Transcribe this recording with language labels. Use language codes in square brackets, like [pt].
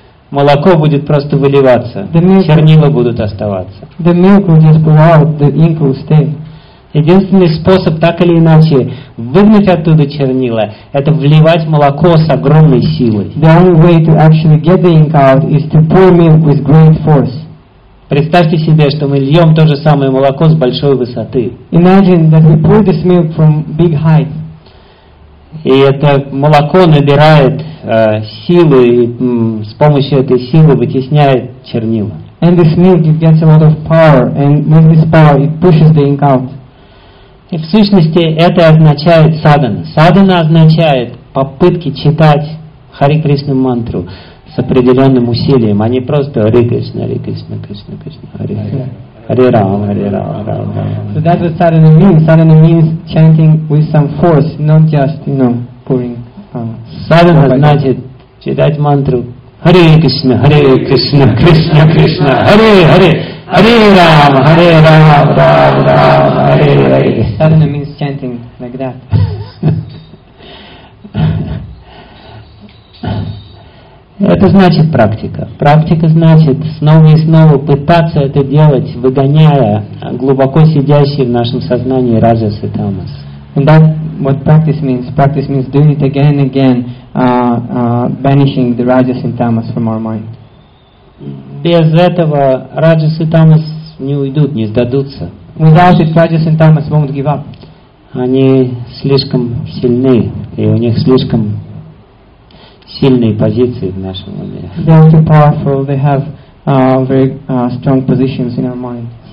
[ru] Молоко будет просто выливаться. [en] The milk, [ru] чернила будут оставаться. [en] The milk will just pull out, the ink will stay. [ru] Единственный способ так или иначе выгнать оттуда чернила, это вливать молоко с огромной силой. [en] The only way to actually get the ink out is to pour milk with great force. [ru] Представьте себе, что мы льем то же самое молоко с большой высоты. [en] Imagine that we pour this milk from big height. [ru] И это молоко набирает силы и с помощью этой силы вытесняет чернила. [en] And this milk gets a lot of power, and with this power it pushes the ink out. [ru] И в сущности это означает садхана. Садхана означает попытки читать Хари Кришну мантру с определенным усилием, а не просто [sa] Хари Кришна, Хари Кришна, Кришна Кришна, Хари Хари, Хари Рама, Хари Рама, Рама Рама. [en] So that's what садхана means. Садхана means chanting with some force, not just, you know, pouring. [ru] Садхана значит читать мантру [sa] Хари Кришна, Кришна Кришна, Хари Хари. Hare Rama, Hare Rama, Rama Rama, Hare Hare. [en] Sadhana means chanting like that. [ru] Это значит практика. Практика значит снова и снова пытаться это делать, выгоняя глубоко сидящие в нашем сознании раджас и тамас. [en] And that what practice means. Practice means doing it again and again, banishing the rajas and tamas from our mind. [ru] Без этого раджас и тамас не уйдут, не сдадутся. [en] Without it, rajas and tamas won't give up. [ru] Они слишком сильны, и у них слишком сильные позиции в нашем уме. [en] They are too powerful. They have very strong positions in our mind.